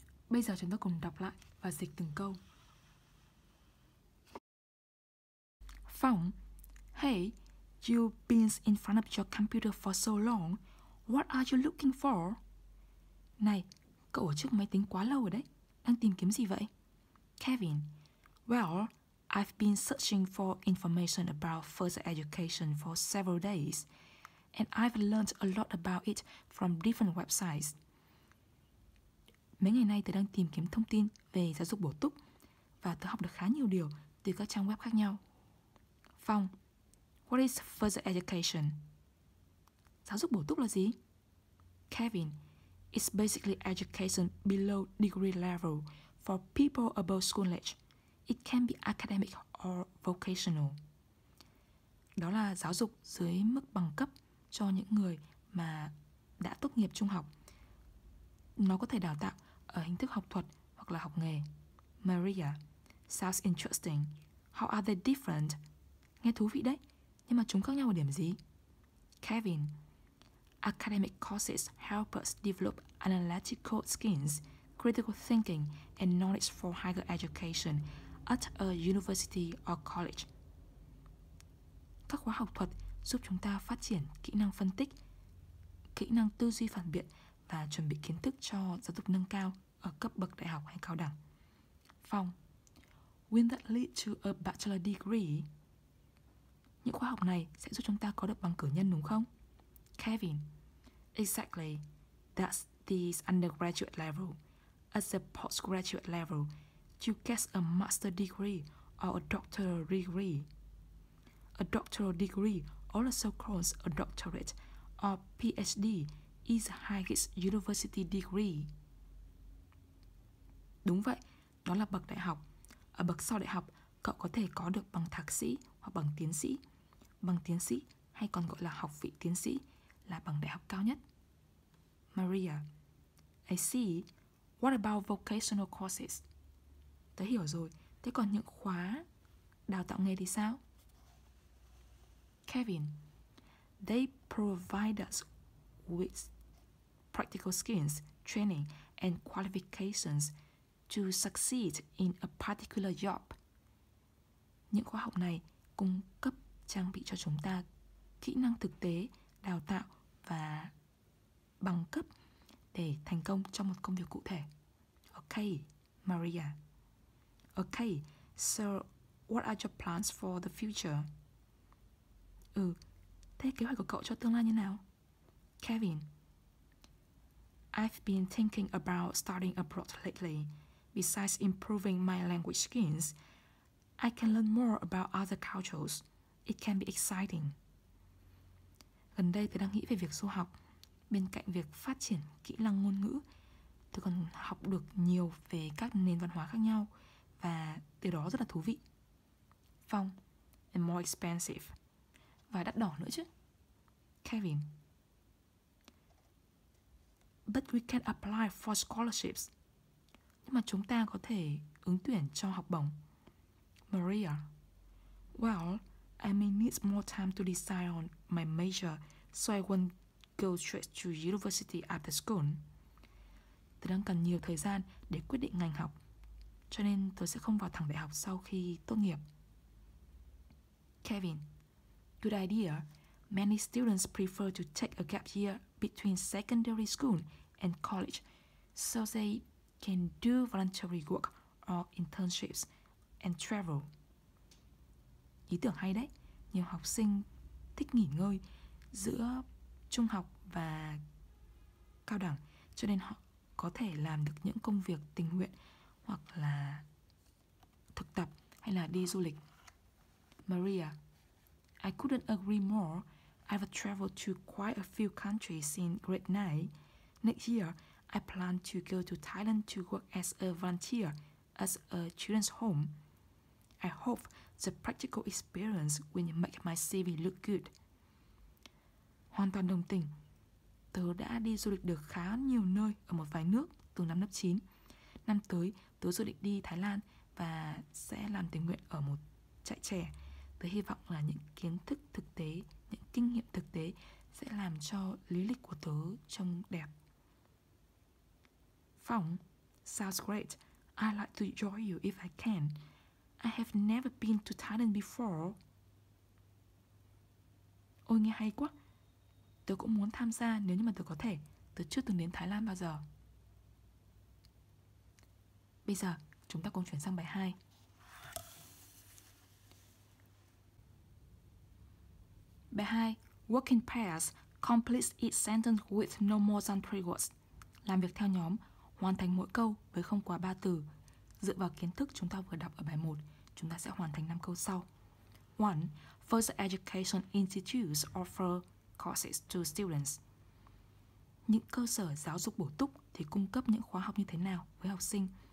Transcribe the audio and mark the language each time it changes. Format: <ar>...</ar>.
<vi>Bây giờ chúng ta cùng đọc lại và dịch từng câu.</vi> <en>Phong, hey, you've been in front of your computer for so long. What are you looking for?</en> <vi>Này, cậu ở trước máy tính quá lâu rồi đấy. Đang tìm kiếm gì vậy? Kevin, well,</vi> <en>I've been searching for information about further education for several days, and I've learned a lot about it from different websites.</en> <vi>Mấy ngày nay tớ đang tìm kiếm thông tin về giáo dục bổ túc và tớ học được khá nhiều điều từ các trang web khác nhau. Phong,</vi> <en>what is further education?</en> <vi>Giáo dục bổ túc là gì?</vi> <en>Kevin, it's basically education below degree level for people above school age. It can be academic or vocational.</en> <vi>Đó là giáo dục dưới mức bằng cấp cho những người mà đã tốt nghiệp trung học. Nó có thể đào tạo ở hình thức học thuật hoặc là học nghề. Maria,</vi> <en>sounds interesting. How are they different?</en> <vi>Nghe thú vị đấy, nhưng mà chúng khác nhau ở điểm gì?</vi> <en>Kevin, academic courses help us develop analytical skills, critical thinking and knowledge for higher education at a university or college.</en> <vi>Các khóa học thuật giúp chúng ta phát triển kỹ năng phân tích, kỹ năng tư duy phản biện và chuẩn bị kiến thức cho giáo dục nâng cao ở cấp bậc đại học hay cao đẳng.</vi> <en>Phong, will that lead to a bachelor degree?</en> <vi>Những khóa học này sẽ giúp chúng ta có được bằng cử nhân đúng không?</vi> <en>Kevin, exactly. That's the undergraduate level. At the postgraduate level, you get a master degree or a doctoral degree. A doctoral degree, also called a doctorate or PhD, is the highest university degree.</en> <vi>Đúng vậy, đó là bậc đại học. Ở bậc sau đại học, cậu có thể có được bằng thạc sĩ hoặc bằng tiến sĩ. Bằng tiến sĩ hay còn gọi là học vị tiến sĩ là bằng đại học cao nhất.</vi> <en>Maria, I see. What about vocational courses?</en> <vi>Tớ hiểu rồi, thế còn những khóa đào tạo nghề thì sao?</vi> <en>Kevin, they provide us with practical skills, training and qualifications to succeed in a particular job.</en> <vi>Những khóa học này cung cấp trang bị cho chúng ta kỹ năng thực tế, đào tạo và bằng cấp để thành công trong một công việc cụ thể.</vi> <en>Okay, Maria. Okay, so what are your plans for the future?</en> <vi>Ừ, thế kế hoạch của cậu cho tương lai như nào?</vi> <en>Kevin, I've been thinking about studying abroad lately. Besides improving my language skills, I can learn more about other cultures. It can be exciting.</en> <vi>Gần đây tôi đang nghĩ về việc du học. Bên cạnh việc phát triển kỹ năng ngôn ngữ, tôi còn học được nhiều về các nền văn hóa khác nhau và điều đó rất là thú vị. Phong,</vi> <en>and more expensive.</en> <vi>Và đắt đỏ nữa chứ.</vi> <en>Kevin, but we can apply for scholarships.</en> <vi>Nhưng mà chúng ta có thể ứng tuyển cho học bổng.</vi> <en>Maria, well, I may need more time to decide on my major, so I won't go straight to university after school.</en> <vi>Tôi đang cần nhiều thời gian để quyết định ngành học, cho nên tôi sẽ không vào thẳng đại học sau khi tốt nghiệp.</vi> <en>Kevin, good idea. Many students prefer to take a gap year between secondary school and college so they can do voluntary work or internships and travel.</en> <vi>Ý tưởng hay đấy. Nhiều học sinh thích nghỉ ngơi giữa trung học và cao đẳng, cho nên họ có thể làm được những công việc tình nguyện hoặc là thực tập hay là đi du lịch.</vi> <en>Maria, I couldn't agree more. I've traveled to quite a few countries in grade 9. Next year, I plan to go to Thailand to work as a volunteer at a children's home. I hope the practical experience will make my CV look good.</en> <vi>Hoàn toàn đồng tình. Tớ đã đi du lịch được khá nhiều nơi ở một vài nước từ năm lớp 9. Năm tới, tớ dự định đi Thái Lan và sẽ làm tình nguyện ở một trại trẻ. Tớ hy vọng là những kiến thức thực tế, những kinh nghiệm thực tế sẽ làm cho lý lịch của tớ trông đẹp.</vi> <en>Phong, sounds great. I'd like to join you if I can. I have never been to Thailand before.</en> <vi>Ôi, nghe hay quá. Tớ cũng muốn tham gia nếu như mà tớ có thể. Tớ chưa từng đến Thái Lan bao giờ. Bây giờ, chúng ta cùng chuyển sang bài 2.</vi> <en>Bài 2. Work in pairs. Complete each sentence with no more than 3 words.</en> <vi>Làm việc theo nhóm, hoàn thành mỗi câu với không quá 3 từ. Dựa vào kiến thức chúng ta vừa đọc ở bài 1, chúng ta sẽ hoàn thành 5 câu sau. 1.</vi> <en>First education institutes offer courses to students.</en> <vi>Những cơ sở giáo dục bổ túc thì cung cấp những khóa học như thế nào với học sinh?</vi>